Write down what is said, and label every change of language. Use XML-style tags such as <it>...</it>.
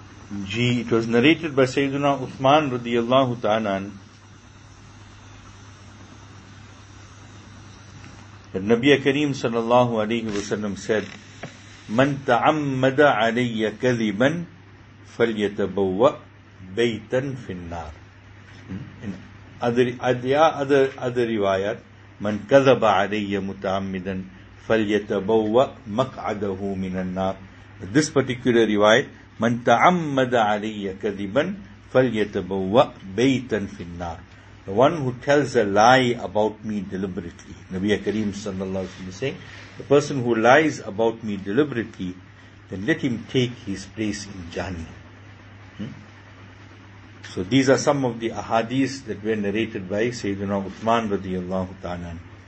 <en>It was narrated by Sayyidina Uthman radiyallahu ta'ala an, that Nabiya Kareem sallallahu alayhi wa sallam said,</en> <ar>من تعمد علي كذبا فليتبوأ بيتا في النار.</ar> <en>In other riwayat,</en> <ar>من كذب علي متعمدا فليتبوأ مقعده من النار.</ar> <en>This particular riwayat,</en> <ar>من تعمد علي كذبا فليتبوأ بيتا في النار.</ar> <en>The one who tells a lie about me deliberately. Nabiya Kareem sallallahu alayhi wa sallam is saying, the person who lies about me deliberately, then let him take his place in Jahannam. So these are some of the ahadith that were narrated by Sayyidina Uthman radiyallahu ta'ala.</en>